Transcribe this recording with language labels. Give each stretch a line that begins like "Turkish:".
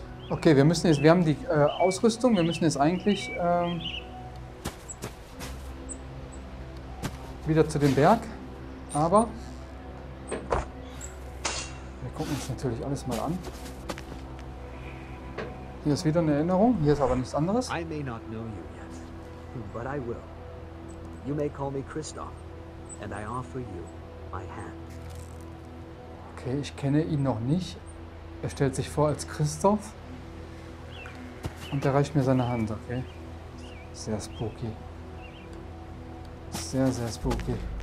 German: Okay, wir müssen jetzt, wir haben die Ausrüstung, wir müssen jetzt eigentlich wieder zu dem Berg, aber wir gucken uns natürlich alles mal an. Hier ist wieder eine Erinnerung, hier ist aber nichts anderes.
English: I may not know you yet, but I will. You may call me Christoph, and I offer you my hand.
German: Okay, ich kenne ihn noch nicht. Er stellt sich vor als Christoph und er reicht mir seine Hand, okay? Sehr spooky. Sehr, sehr spooky.